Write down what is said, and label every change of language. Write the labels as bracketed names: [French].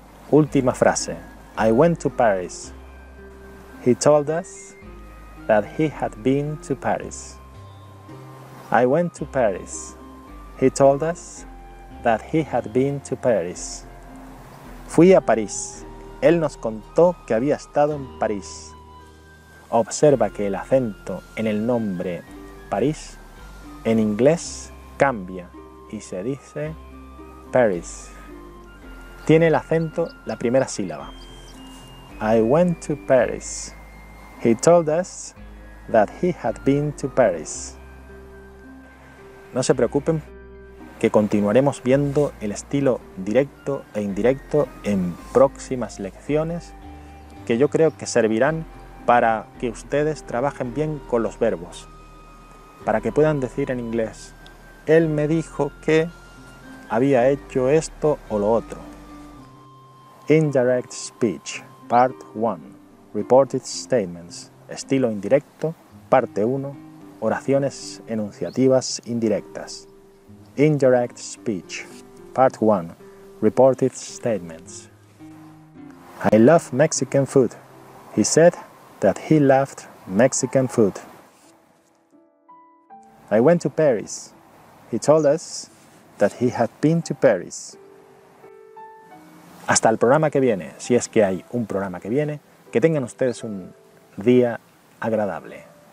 [Spanish] Última frase. [English] I went to Paris. He told us that he had been to Paris. I went to Paris. He told us that he had been to Paris. [Spanish] Fui a París. Él nos contó que había estado en París. Observa que el acento en el nombre París en inglés cambia y se dice Paris. Tiene el acento la primera sílaba. [English] I went to Paris. He told us that he had been to Paris. [Spanish] No se preocupen, que continuaremos viendo el estilo directo e indirecto en próximas lecciones, que yo creo que servirán para que ustedes trabajen bien con los verbos, para que puedan decir en inglés, él me dijo que había hecho esto o lo otro. [English] Indirect Speech, Part 1, Reported Statements, [Spanish] estilo indirecto, Parte 1, oraciones enunciativas indirectas. [English] Indirect Speech, Part 1, Reported Statements. I love Mexican food. He said that he loved Mexican food. I went to Paris. He told us that he had been to Paris. [Spanish] Hasta el programa que viene, si es que hay un programa que viene, que tengan ustedes un día agradable.